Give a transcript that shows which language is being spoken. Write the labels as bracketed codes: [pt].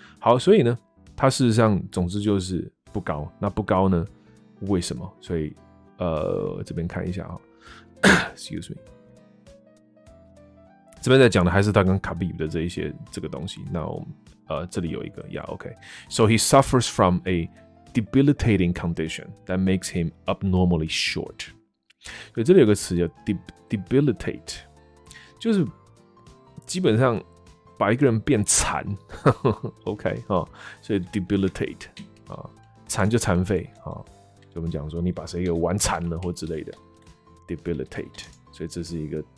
[zh] 好，所以呢，他事实上总之就是不高。那不高呢？为什么？所以这边看一下啊、哦、， [en] excuse me。 [zh] 这边在讲的还是他跟 Khabib 的这一些这个东西。那我们这里有一个 ，Yeah, OK. [en] So he suffers from a debilitating condition that makes him abnormally short. [zh] 所以这里有个词叫 debilitate， 就是基本上把一个人变残。 OK 啊、哦，所以 debilitate 啊、哦，残就残废啊、哦，就我们讲说你把谁给玩残了或之类的 debilitate。所以这是一个。